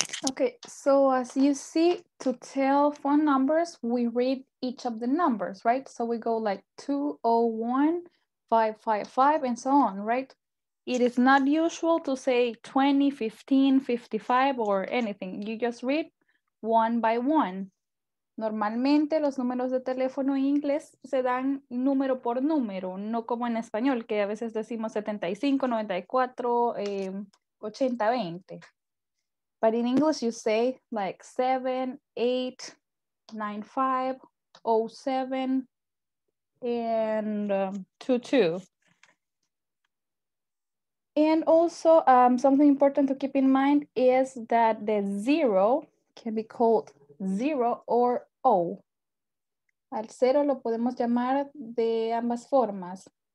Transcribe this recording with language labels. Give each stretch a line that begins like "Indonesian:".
English: Okay, so as you see, to tell phone numbers, we read each of the numbers, right? So we go like 201-555 and so on, right? It is not usual to say 20, 15, 55 or anything. You just read one by one.
Spanish: Normalmente los números de teléfono en inglés se dan número por número, no como en español, que a veces decimos 75, 94, 80, 20.
English: But in English, you say like 7, 8, 9, 5, 0, 7, and 2, 2. And also something important to keep in mind is that the zero can be called zero or O.
Spanish: Al cero lo podemos llamar de ambas formas.